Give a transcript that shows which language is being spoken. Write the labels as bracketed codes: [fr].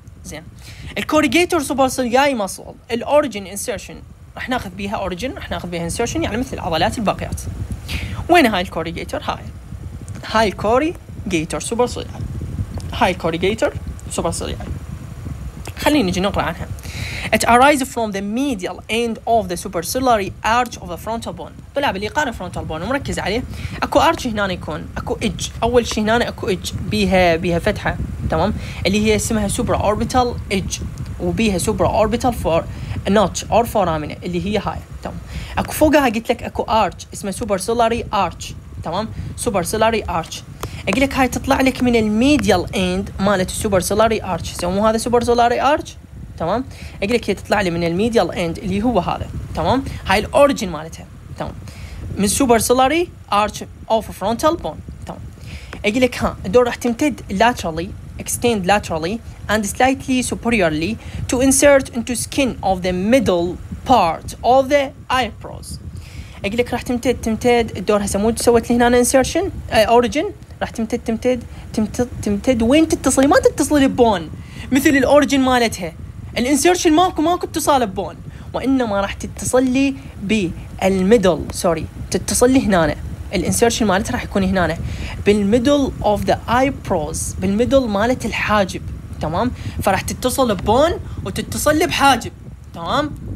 [ar] زين الكوريجيتور سوبرسيلياي ماسل الاوريجين انسرشن راح ناخذ بيها اوريجين راح ناخذ بيها انسرشن، يعني مثل العضلات الباقيات. وين هاي الكوريجيتور؟ هاي الكوريجيتور سوبرسيلياي، هاي الكوريجيتور سوبرسيلياي. خليني نجي نقرا عنها. [en] It arises from the medial end of the supercilliary arch of the frontal bone. [ar] طلع بالإقارة frontal bone ومركز عليه. أكو arch هنا يكون، أكو edge. أول شيء هنا أكو edge بيها فتحة تمام، اللي هي اسمها supraorbital edge، وبيها supraorbital for notch or foramen اللي هي هاي تمام. أكو فوقها قلت لك أكو arch اسمه supercilliary arch تمام، supercilliary arch. أقول لك هاي تطلع لك من الميديال end مالت supercilliary arch. سووا هذا supercilliary arch تمام. اقول لك هي تطلع لي من الميديال اند اللي هو هذا تمام، هاي الاوريجين مالتها تمام، من سوبر سولاري ارش اوف فرونتال بون تمام. اقول لك ها دور راح تمتد لاترالي [en] extend laterally and slightly superiorly to insert into skin of the middle part of the eyebrows. [ar] أقول لك راح تمتد تمتد الدور هسه مو سويت لهنا insertion origin راح تمتد تمتد تمتد تمتد وين تتصلي ما تتصلي البون مثل الأوريجين مالتها الانسيرشن ماكو ماكو اتصال بون وإنما راح تتصلي بالميدل سوري تتصلي هنا الانسيرشن مالتها راح يكون هنا بالميدل of the eyebrows بالميدل مالت الحاجب تمام فراح تتصل بون وتتصلي بحاجب تمام